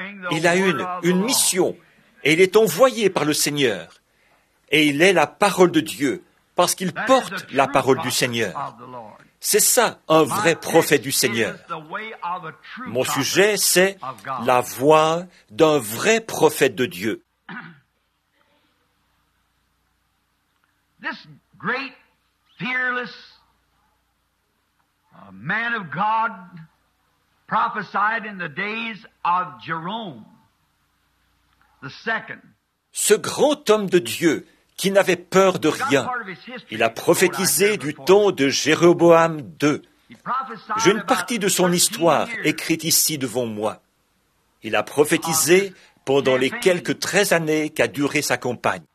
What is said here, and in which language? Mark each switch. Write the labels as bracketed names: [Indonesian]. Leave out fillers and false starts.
[French] Il a une mission, et il est envoyé par le Seigneur, et il est la parole de Dieu, parce qu'il porte la parole du Seigneur. C'est ça, un vrai prophète du Seigneur. Mon sujet, c'est la voix d'un vrai prophète de Dieu. [English] This great, fearless man of God prophesied in the days of Jerome the second. [French] Ce grand homme de Dieu qui n'avait peur de rien, il a prophétisé du temps de Jéroboam II. J'ai une partie de son histoire écrite ici devant moi. Il a prophétisé pendant les quelques 13 années qu'a duré sa campagne.